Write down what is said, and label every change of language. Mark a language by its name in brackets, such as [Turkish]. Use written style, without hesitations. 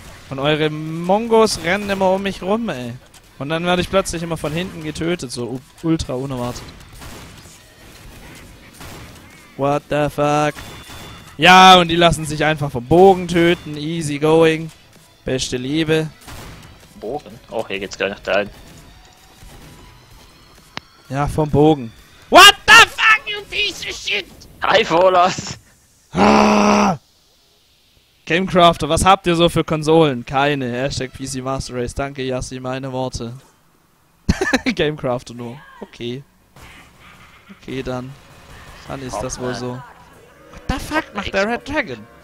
[German] Und eure Mongos rennen immer um mich rum, ey. Und dann werde ich plötzlich immer von hinten getötet, so ultra unerwartet. [English] What the fuck? [German] Ja, und die lassen sich einfach vom Bogen töten, [English] easy going. [German] Beste Liebe. Bogen? Oh, hier geht's gar nicht rein. Ja, vom Bogen. [English] What the fuck, you piece of shit? Hi, Volos. [German] Gamecrafter, was habt ihr so für Konsolen? Keine. Hashtag PC Master Race. Danke, Yassi, meine Worte. Gamecrafter nur. Okay. Okay, dann. Dann ist das wohl so. [English] What the fuck [German] macht der Red Dragon?